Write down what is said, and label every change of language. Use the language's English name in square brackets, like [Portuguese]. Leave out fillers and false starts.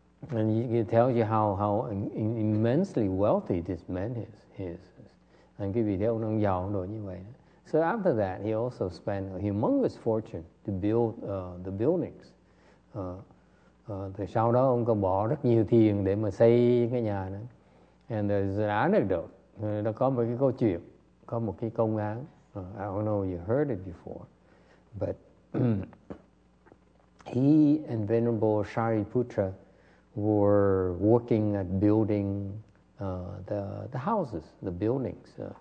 [English] And it tells you how immensely wealthy this man is. [Vietnamese] And quý vị thấy ông giàu đồ như vậy. [English] So after that, he also spent a humongous fortune to build the buildings. Thì sau đó ông có bỏ rất nhiều tiền để mà xây cái nhà đó. And there's an anecdote. [Vietnamese] Nó có một cái câu chuyện, có một cái công án. [English] I don't know if you heard it before. But he and Venerable Shariputra were working at building the houses, the buildings.